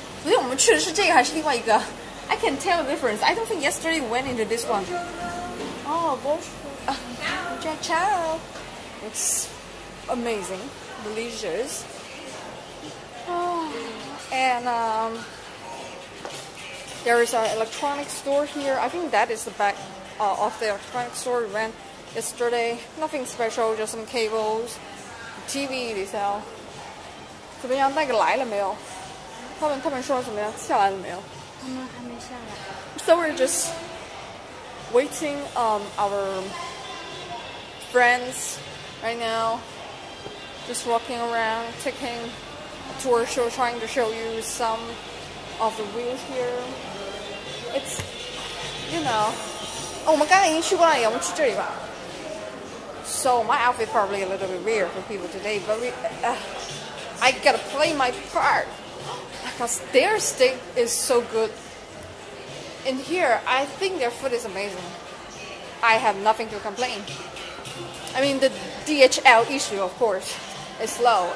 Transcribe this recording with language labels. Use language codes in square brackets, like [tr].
[zh] 所以我们去的是这个还是另外一个? [en] I can tell the difference. I don't think yesterday we went into this one. Oh, gosh. Ciao. Ciao. It's amazing. Delicious. Oh, and there is our electronic store here. I think that is the back of the electronic store we went yesterday. Nothing special, just some cables, TV they sell. [zh] 怎么样,那个来了没有? 他们说怎么样,下来了没有? [en] So we're just waiting our friends right now, just walking around, taking a tour show, trying to show you some of the views here. It's, you know. [zh] Oh, 我们刚刚已经去过了,我们去这里吧. [en] So my outfit probably a little bit weird for people today, but we, I gotta play my part. Because their steak is so good. In here, I think their food is amazing. I have nothing to complain. I mean, the DHL issue, of course, is low.